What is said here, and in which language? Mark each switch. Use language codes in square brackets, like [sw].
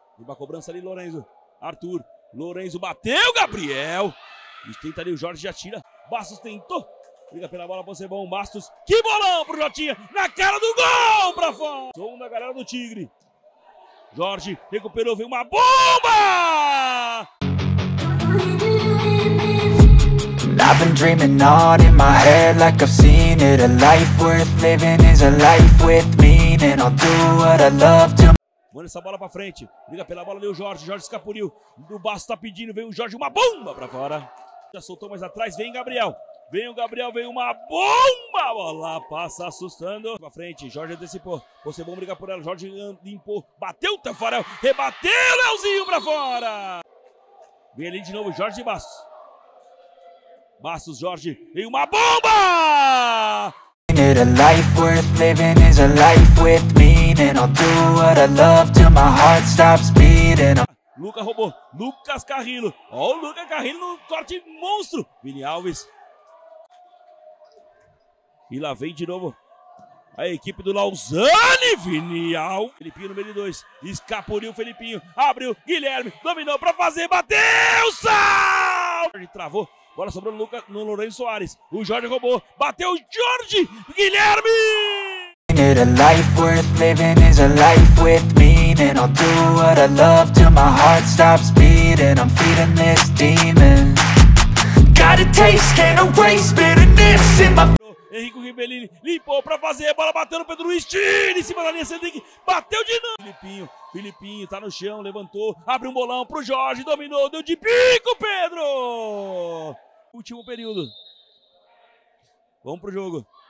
[pt] Vem pra cobrança ali, Lorenzo. Arthur, Lorenzo bateu, Gabriel. E tenta ali, o Jorge já tira. Bastos tentou. Liga pela bola, você bom, Bastos. Que bolão pro Jotinha, na cara do gol, pra fora. Som da galera do Tigre. Jorge recuperou, vem uma bomba! [en] I've been dreaming on in my head like I've seen it. A life worth living is a life with meaning. I'll do what I love to. [pt] Manda essa bola pra frente. Liga pela bola ali o Jorge. Jorge escapuliu. O Basto tá pedindo. Vem o Jorge. Uma bomba pra fora. Já soltou mais atrás. Vem Gabriel. Vem o Gabriel. Vem uma bomba. A bola passa assustando. Pra frente. Jorge antecipou. Você bom brigar por ela. Jorge limpou. Bateu o Tafarel. Rebateu o Leozinho pra fora. Vem ali de novo Jorge e Basto. Bastos, Jorge, e uma bomba! [en] A life worth living is a life with meaning. I'll do what I love till my heart stops beating. [pt] Lucas roubou, Lucas Carrillo. Ó, o Lucas Carrillo no corte monstro. Vini Alves. E lá vem de novo a equipe do Lausanne, Vini Alves. Felipinho no meio de dois. Escapuliu o Felipinho. Abriu, Guilherme. Dominou pra fazer, bateu! Salve! Travou. Bola sobrou no Lourenço Soares. O Jorge roubou. Bateu o Jorge! Guilherme! [en] A life worth living is a life with meaning. I'll do what I love till my heart stops beating. I'm feeding this demon. Got a taste, can't erase bitterness in my... [pt] Henrique Ribellini limpou pra fazer. Bola bateu no Pedro Luiz. Tira em cima da linha. Cedric bateu de novo. Filipinho. Filipinho tá no chão. Levantou. Abre um bolão pro Jorge. Dominou. Deu de bico, Pedro. Último período. Vamos pro jogo.